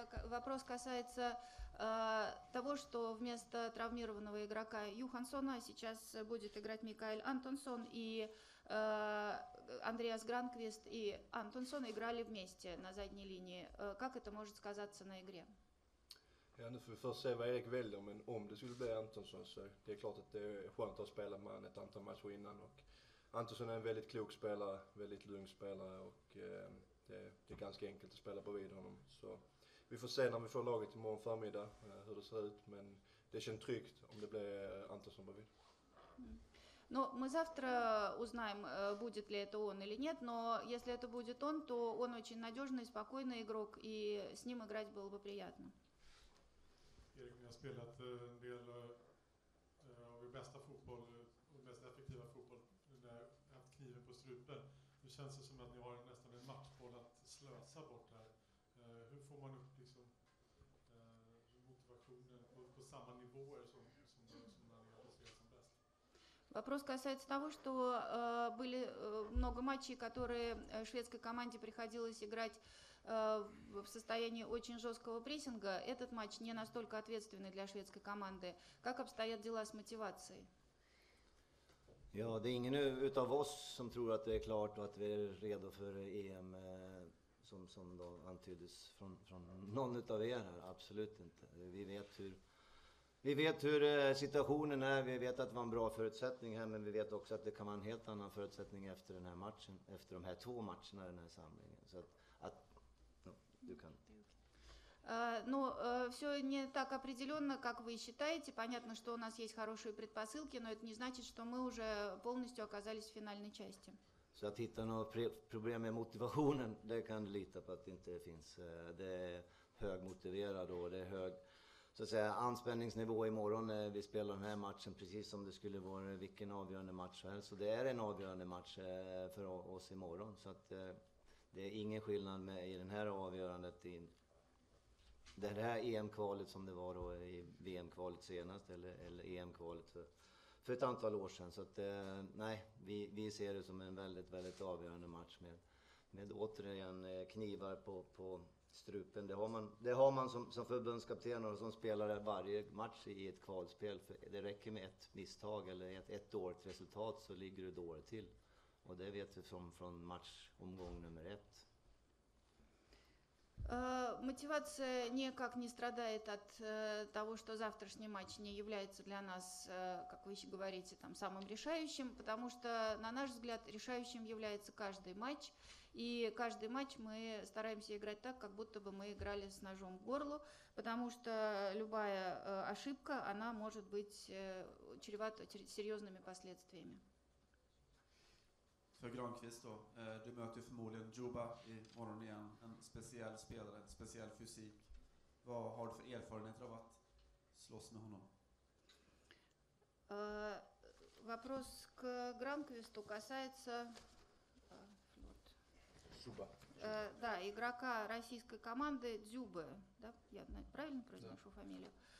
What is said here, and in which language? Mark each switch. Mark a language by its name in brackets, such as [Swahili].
[Russian] Вопрос касается того, что вместо травмированного игрока Юхансона сейчас будет играть Микаэль Антонсон, и Андреас Гранквист и Антонсон играли вместе на задней линии. Как это может сказаться на игре? [Swedish] Ja, nu får vi först se vad Erik väljer, men om det skulle bli Antonsson så det är klart att det är skönt att spela med ett antal matcher innan. Och Antonsson är en väldigt klok spelare, väldigt lugn spelare och det är ganska enkelt att spela bredvid honom. Så vi får se när vi får laget imorgon förmiddag hur det ser ut, men det känns tryggt om det blir Antonsson bredvid. [Russian] Но мы завтра узнаем, будет ли это он или нет, но если это будет он, то он очень надежный, спокойный игрок, и с ним играть было бы приятно. [Swedish] Erik, ni har spelat en del av er bästa fotboll och mest effektiva fotboll när ni har haft kniven på strupen. Nu känns det som att ni har nästan en matchboll att slösa bort här. Hur får man upp liksom, motivationen på samma nivåer som när ni har spelat som bäst? [Russian] Вопрос касается того, что были много матчей, которые шведской команде приходилось играть в состоянии очень жесткого прессинга. Этот матч не настолько ответственный для шведской команды. Как обстоят дела с мотивацией? [Swedish] Ja, det är ingen utav oss som tror att det är klart och att vi är redo för EM som då antyddes från någon utav er här. Absolut inte. Vi vet hur situationen är, vi vet att det var en bra förutsättning här, men vi vet också att det kan vara en helt annan förutsättning efter den här matchen, efter de här två matcherna i den här samlingen. Så att no, du kan. [Russian] Ну, все не так определенно, как вы считаете. Понятно, что у нас есть хорошие предпосылки, но это не значит, что мы уже полностью оказались в финальной части. [Swedish] Så att hitta några problem med motivationen, det kan du lita på att det inte finns. Det är högmotiverad och det är hög, så att säga, anspänningsnivå imorgon när vi spelar den här matchen, precis som det skulle vara vilken avgörande match som helst. Så det är en avgörande match för oss imorgon. Så att det är ingen skillnad med i den här avgörandet i det här EM-kvalet som det var då i VM-kvalet senast eller EM-kvalet för ett antal år sedan. Så att nej, vi ser det som en väldigt, väldigt avgörande match med återigen knivar på strupen. Det har man som förbundskapten och som spelare varje match i ett kvalspel. För det räcker med ett misstag eller ett dåligt resultat så ligger du dåligt till. Och det vet vi från matchomgång nummer ett. [Russian] Мотивация никак не страдает от того, что завтрашний матч не является для нас, как вы еще говорите, там, самым решающим, потому что, на наш взгляд, решающим является каждый матч, и каждый матч мы стараемся играть так, как будто бы мы играли с ножом в горло, потому что любая ошибка, она может быть чревата серьезными последствиями. [Swedish] För Granqvist då, du möter förmodligen Juba i morgon igen, en speciell spelare, en speciell fysik. Vad har du för erfarenhet av att slåss med honom? [Russian] Вопрос к Гранквисту касается [Swedish] Juba. [Russian] Да, игрока российской команды Дзюбы, да? Я правильно произношу фамилию?